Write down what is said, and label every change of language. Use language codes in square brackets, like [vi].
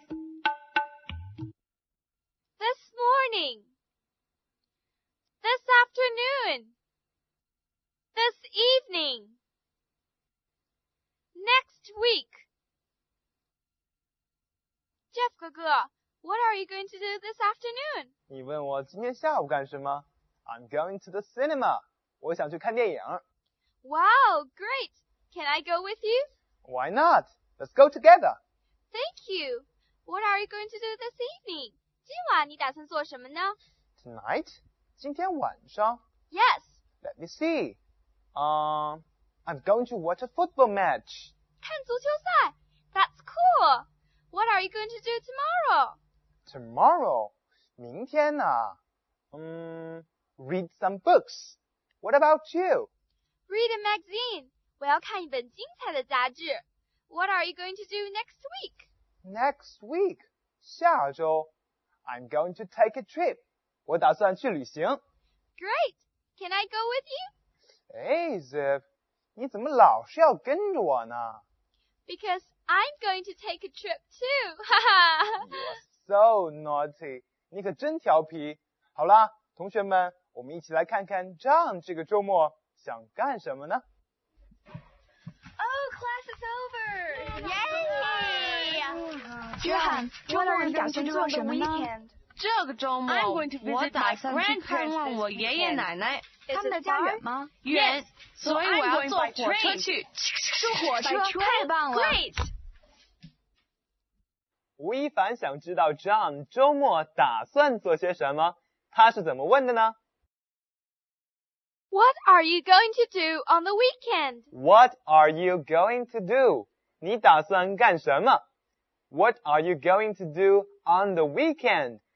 [en] This morning. This afternoon. This evening. Next week. Jeff 哥哥, what are you going to do this afternoon? [zh] 你问我今天下午干什么? [en] I'm going to the cinema. [zh] 我想去看电影。 [en] Wow, great! Can I go with you? Why not? Let's go together! Thank you! What are you going to do this evening? [zh] 今晚你打算做什么呢? [en] Tonight? [zh] 今天晚上? [en] Yes! Let me see! I'm going to watch a football match! [zh] 看足球赛! [en] That's cool! What are you going to do tomorrow? Tomorrow? [zh] 明天啊? [en] Read some books! What about you? Read a magazine. [zh] 我要看一本精彩的杂志。 [en] What are you going to do next week? Next week? [zh] 下周。 [en] I'm going to take a trip. [zh] 我打算去旅行。 [en] Great! Can I go with you? [zh] Hey, Zip, 你怎么老是要跟着我呢? [en] Because I'm going to take a trip too. You're so naughty. [zh] 你可真调皮。好啦，同学们，我们一起来看看 John 这个周末。想干什么呢? [en] Oh, class is over! Yay! John, what are you going to do on the weekend? [zh] 这个周末, [en] I'm going to visit my grandparents this weekend. Is it far? Yes, so I'm going by train. [zh] 所以我要坐火车去。坐火车, 太棒了。 [en] Great! [zh] 吴亦凡想知道 John 周末打算做些什么,他是怎么问的呢? [en] What are you going to do on the weekend? What are you going to do? [zh] 你打算干什么? [en] What are you going to do on the weekend?